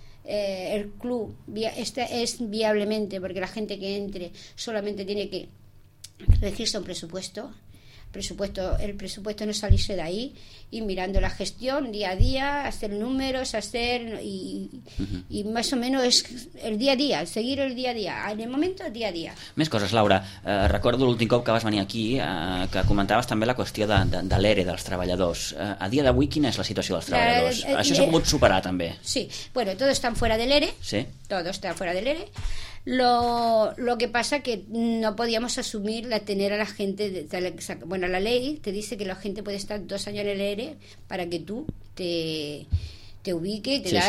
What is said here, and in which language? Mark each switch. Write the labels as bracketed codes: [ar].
[es] El club es viablemente, porque la gente que entre solamente tiene que regirse un presupuesto. El presupuesto no salirse de ahí y mirando la gestión día a día, hacer números, y más o menos es el día a día, seguir el día a día, en el momento día a día. [ca] Més coses, Laura, recordo l'últim cop que vas venir aquí que comentaves també la qüestió de l'ERE dels treballadors. A dia d'avui quina és la situació dels treballadors? Això s'ha pogut superar també? [es] Sí, bueno, todos están fuera del ERE. Sí. Todos están fuera del ERE. Lo que pasa que no podíamos asumir la tener a la gente bueno, la ley te dice que la gente puede estar 2 años en el ERE para que tú te ubique, te sí, da,